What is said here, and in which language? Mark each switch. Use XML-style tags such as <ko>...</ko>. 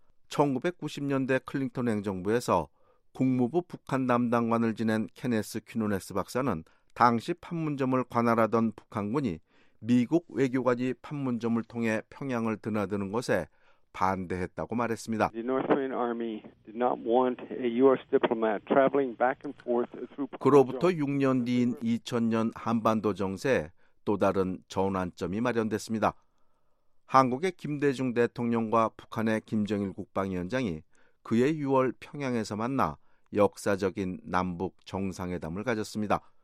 <ko>1990년대 클린턴 행정부에서 국무부 북한 담당관을 지낸 케네스 퀴노네스 박사는 당시 판문점을 관할하던 북한군이 미국 외교관이 판문점을 통해 평양을 드나드는 것에 반대했다고 말했습니다.</ko> <en>The North Korean Army did not want a U.S. diplomat traveling back and forth through.</en> <ko>그로부터 6년 뒤인 2000년 한반도 정세에 또 다른 전환점이 마련됐습니다. 한국의 김대중 대통령과 북한의 김정일 국방위원장이 그해 6월 평양에서 만나 역사적인 남북 정상회담을 가졌습니다.</ko>